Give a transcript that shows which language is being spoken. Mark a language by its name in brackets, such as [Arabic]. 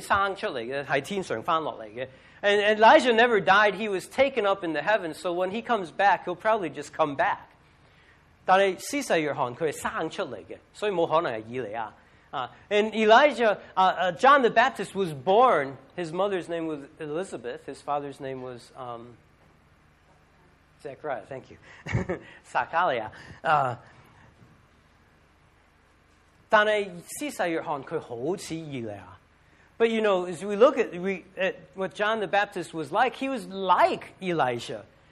[Chinese] 所以可能他回来的时候又不会生出来的，是天上回来的。 [English] And Elijah never died. He was taken up into heaven. So when he comes back, he'll probably just come back. [Chinese] 但是司洗约翰他是生出来的，所以没可能是以利亚。 [English] And Elijah, John the Baptist was born. His mother's name was Elizabeth. His father's name was Zechariah. Thank you. Zechariah. [Chinese] 但是司洗约翰他好似以利亚。 [English] But you know, as we look at what John the Baptist was like, he was like Elijah.